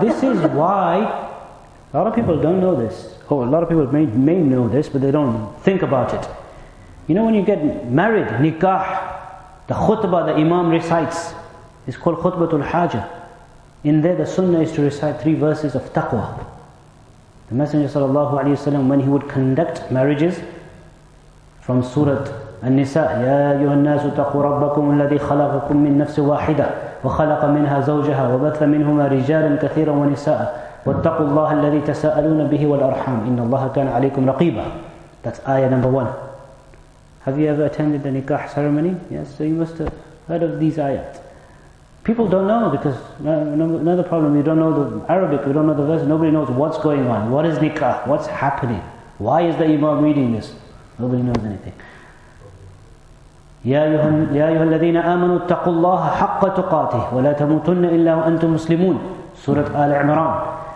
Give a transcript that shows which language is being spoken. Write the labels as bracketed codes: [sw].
[en] This is why a lot of people don't know this. Oh, a lot of people may know this, but they don't think about it. You know when you get married, nikah, the khutbah the imam recites is called khutbatul hajah. In there the sunnah is to recite three verses of taqwa. The Messenger sallallahu alayhi wa sallam, when he would conduct marriages, from surah An-Nisa, [ar] يَا أَيُّهَا النَّاسُ تَقُوا رَبَّكُمُ الَّذِي خَلَقَكُم مِّن نَفْسِ وَاحِدَةٍ وَخَلَقَ مِنْهَا زَوْجَهَا وَبَثَّ مِنْهُمَا رِجَالًا كَثِيرًا وَنِسَاءً وَاتَّقُوا اللَّهَ الَّذِي تَسَأَلُونَ بِهِ وَالْأَرْحَامِ إِنَّ اللَّهَ كَانَ عَلَيْكُمْ رَقِيبًا. [en] That's ayah number one. Have you ever attended a nikah ceremony? Yes, so you must have heard of these ayat. People don't know, because another problem, you don't know the Arabic, you don't know the verse, nobody knows what's going on. What is nikah? What's happening? Why is the imam reading this? Nobody knows anything. [ar] يَا أَيُّهَا الَّذِينَ آمَنُوا اتَّقُوا اللَّهَ حَقَّ تُقَاتِهِ وَلَا تَمُوتُنَّ إِلَّا وَأَنْتُمْ مُسْلِمُونَ Surah Al Imran.